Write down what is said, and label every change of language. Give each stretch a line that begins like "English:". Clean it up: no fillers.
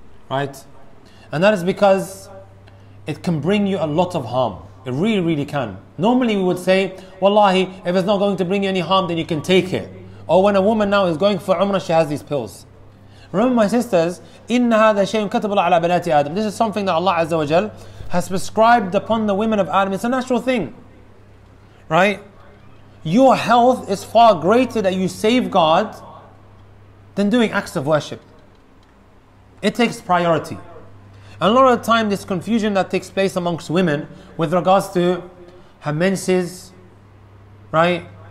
English: Right? And that is because it can bring you a lot of harm. It really, really can. Normally we would say, wallahi, if it's not going to bring you any harm, then you can take it. Or when a woman now is going for Umrah, she has these pills. Remember my sisters,
Arabic: إِنَّ هَذَا شَيْءٌ كَتَبُ اللَّهُ عَلَى بَنَاتِ آدَمٍ.
English: This is something that Allah Azza wa Jal has prescribed upon the women of Adam. It's a natural thing. Right? Your health is far greater that you safeguard than doing acts of worship. It takes priority. And a lot of the time, this confusion that takes place amongst women with regards to her menses, right?